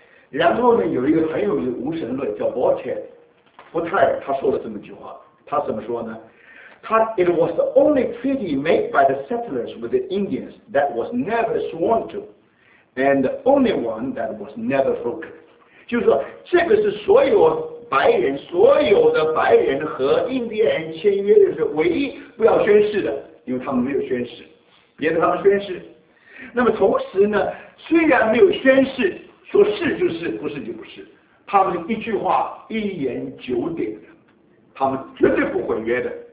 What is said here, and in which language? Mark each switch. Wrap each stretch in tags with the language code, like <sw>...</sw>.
<zh>然后呢，有一个很有名的无神论叫伯特尔，他说了这么句话，他怎么说呢？他</zh> <en>It was the only treaty made by the settlers with the Indians that was never sworn to, and the only one that was never broken.</en> <zh>就是说，这个是所有的白人和印第安人签约的是唯一不要宣誓的，因为他们没有宣誓，别的他们宣誓。那么同时呢，虽然没有宣誓，说是就是，不是就不是，他们一句话一言九鼎的，他们绝对不毁约的。</zh>